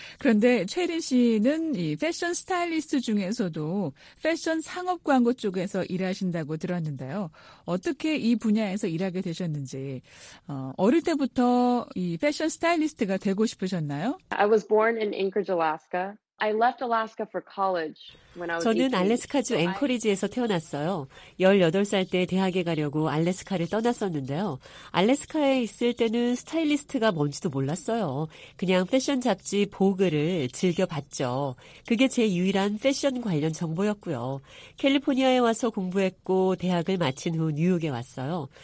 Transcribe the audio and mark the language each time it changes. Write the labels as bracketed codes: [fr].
[ko] 그런데 최린 씨는 이 패션 스타일리스트 중에서도 패션 상업 광고 쪽에서 일하신다고 들었는데요. 어떻게 이 분야에서 일하게 되셨는지. 어릴 때부터 이 패션 스타일리스트가 되고 싶으셨나요? [en] I was born in Anchorage, Alaska. I left Alaska for college when I was [ko] 저는 알래스카주 앵커리지에서 태어났어요. 18살 때 대학에 가려고 알래스카를 떠났었는데요. 알래스카에 있을 때는 스타일리스트가 뭔지도 몰랐어요. 그냥 패션 잡지 보그를 즐겨봤죠. 그게 제 유일한 패션 관련 정보였고요. 캘리포니아에 와서 공부했고 대학을 마친 후 뉴욕에 왔어요.